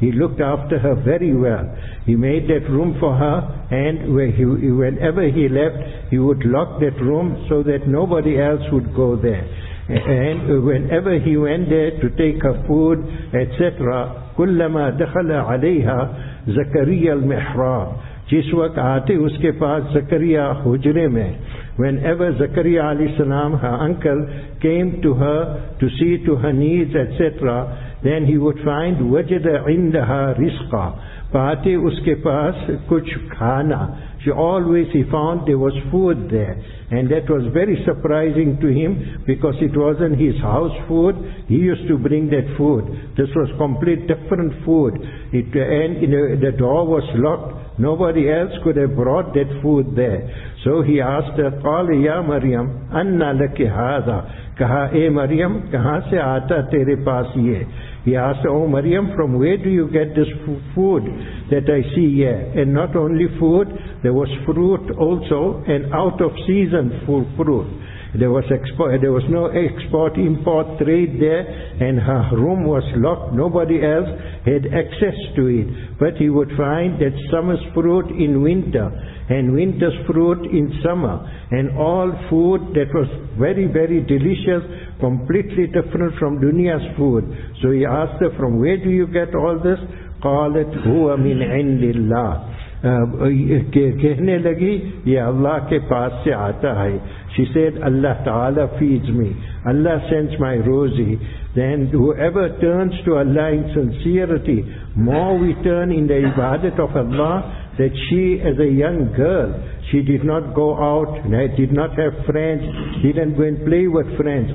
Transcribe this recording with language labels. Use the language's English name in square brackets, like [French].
[English] He looked after her very well. He made that room for her, and whenever he left, he would lock that room so that nobody else would go there. And whenever he went there to take her food, etc., [Arabic] كُلَّمَا دَخَلَ عَلَيْهَا زَكَرِيَّ الْمِحْرَابِ. [Urdu] جس وقت آتے اس کے پاس زکریہ حجرے میں. [English] Whenever Zakariya alayhi salam, her uncle, came to her to see to her needs, etc., then he would find [Arabic] وَجَدَ عِنْدَهَا رِزْقَ. [Urdu] پاتے اس کے پاس کچھ کھانا. [English] She always, he found there was food there. And that was very surprising to him because it wasn't his house food. He used to bring that food. This was complete different food. The door was locked. Nobody else could have brought that food there. So he asked her, [Arabic] قَالِ يَا مَرْيَمْ أَنَّا لَكِ هَذَا. [Urdu] کہا اے مریم کہاں سے آتا تیرے پاس یہ. [English] He asked, oh Maryam, from where do you get this food that I see here? And not only food, there was fruit also, and out of season fruit. There was no export-import trade there, and her room was locked. Nobody else had access to it. But he would find that summer's fruit in winter, and winter's fruit in summer, and all food that was very, very delicious, completely different from dunya's food. So he asked her, from where do you get all this? [Arabic] قَالَتْ هُوَ مِنْ عِنْدِ اللَّهِ. [Urdu] کہنے لگی یہ اللہ کے پاس سے آتا ہے. [English] She said, Allah Ta'ala feeds me. Allah sends my rosy. Then whoever turns to Allah in sincerity, more we turn in the ibadat of Allah, that she, as a young girl, she did not go out, did not have friends, didn't go and play with friends.